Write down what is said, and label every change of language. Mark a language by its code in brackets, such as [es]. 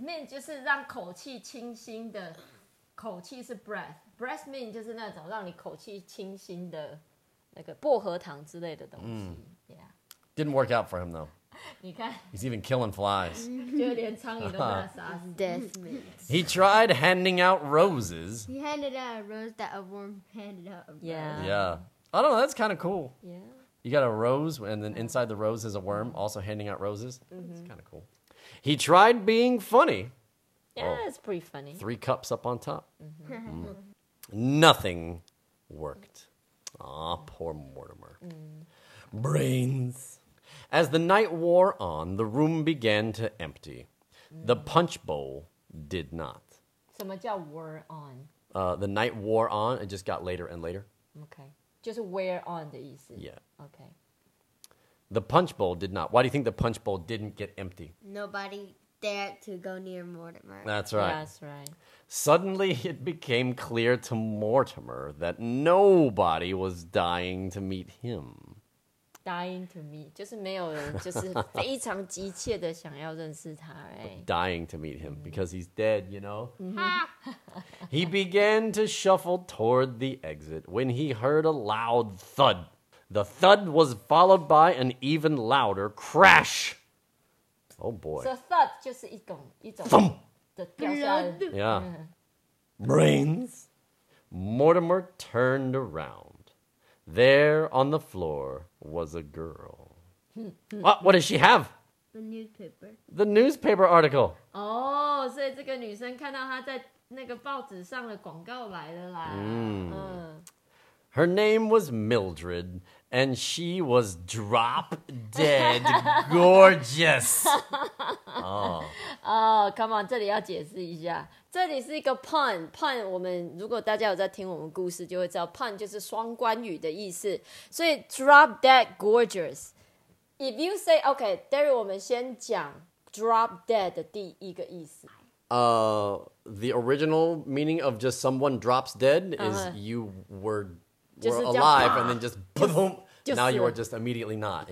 [zh] Mint 就是让口气清新的。口气是 breath. Breath mint 就是那种让你口气清新的那个薄荷糖之类的东西。 [en] Didn't work out for him, though. [zh] 你看。 [en] He's even killing flies. [zh] 就连苍蝇都被杀死。 [en] Death mint. He tried handing out roses. He handed out a rose that a worm handed out. Yeah. I don't know, that's kind of cool. Yeah. You got a rose, and then inside the rose is a worm, also handing out roses. It's kind of cool. He tried being funny. Yeah, it's pretty funny. Three cups up on top. Nothing worked. Aw, poor Mortimer. Brains. As the night wore on, the room began to empty. The punch bowl did not. [zh] 什么叫 wore on? [en] The night wore on. It just got later and later. Okay. Just wear on 的意思。 Yeah. Okay. The punch bowl did not. Why do you think the punch bowl didn't get empty? Nobody dared to go near Mortimer. That's right. That's right. Suddenly it became clear to Mortimer that nobody was dying to meet him. Dying to meet. [zh] 就是没有人就是非常急切的想要认识他、欸、 [en] Dying to meet him、mm-hmm. because he's dead, you know? He began to shuffle toward the exit when he heard a loud thud. The thud was followed by an even louder crash. Oh boy. [zh] So thud 就是一种 [en] thump! [zh] 的掉下来的 [en] Yeah. Brains. Mortimer turned around. There on the floor was a girl. what does she have? The newspaper article. Oh, so this girl saw her on the 报纸上的广告来了啦。 Her name was Mildred, and she was drop dead gorgeous. Oh. [zh] Oh, come on, 这里要解释一下。这里是一个 pun, pun 我们如果大家有在听我们故事就会知道 pun 就是双关语的意思。 [en] 所以 drop dead gorgeous. If you say, okay, Derry, 我们先讲 drop dead 的第一个意思。 The original meaning of just someone drops dead is you were alive and then just boom, now you are just immediately not.